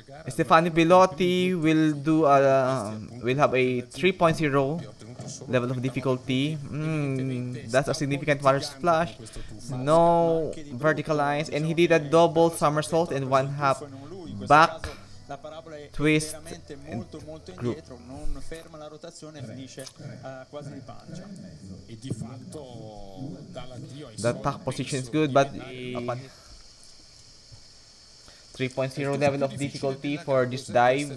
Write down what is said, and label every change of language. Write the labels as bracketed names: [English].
[English] Stefano BELOTTI will do a will have a 3.0 level of difficulty. That's a significant water splash. No vertical lines, and he did a double somersault and one half back twist group. [Italian] Non ferma la rotazione e finisce quasi di pancia. E di fatto [English] the attack position is good, but 3.0 level of difficulty for this dive.